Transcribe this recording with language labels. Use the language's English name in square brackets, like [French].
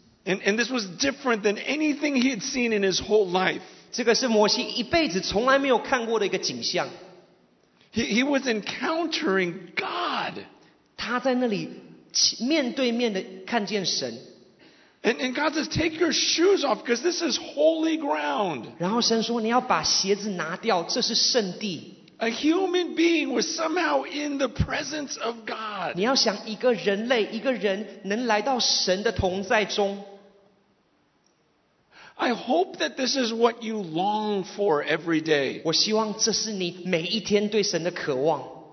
[English] And this was different than anything he had seen in his whole life. [Chinese] 这个是摩西一辈子从来没有看过的一个景象。 [English] He was encountering God. [Chinese] 他在那里面对面的看见神。 [English] And God says, take your shoes off because this is holy ground. [Chinese] 然后神说你要把鞋子拿掉，这是圣地。 [English] A human being was somehow in the presence of God. [Chinese] 你要想一个人类，一个人能来到神的同在中。 [English] I hope that this is what you long for every day. [Chinese] 我希望这是你每一天对神的渴望。